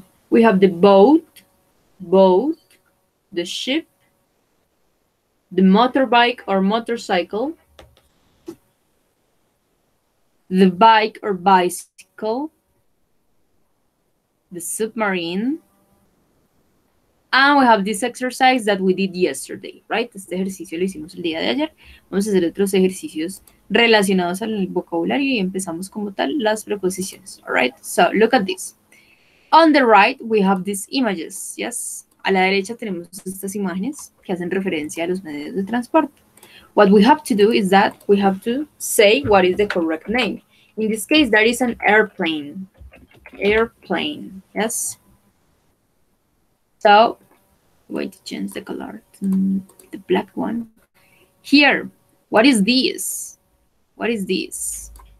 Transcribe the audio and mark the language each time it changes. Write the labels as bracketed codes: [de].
[en] We have the boat, boat, the ship, the motorbike or motorcycle, the bike or bicycle, the submarine, and we have this exercise that we did yesterday, right? [es] Este ejercicio lo hicimos el día de ayer. Vamos a hacer otros ejercicios relacionados al vocabulario y empezamos como tal las preposiciones. [en] All right, so look at this. On the right, we have these images, yes. [es] A la derecha tenemos estas imágenes que hacen referencia a los medios de transporte. [en] What we have to do is that we have to say what is the correct name. In this case, that is an airplane. Airplane, yes. So, wait to change the color to the black one. Here, what is this? What is this?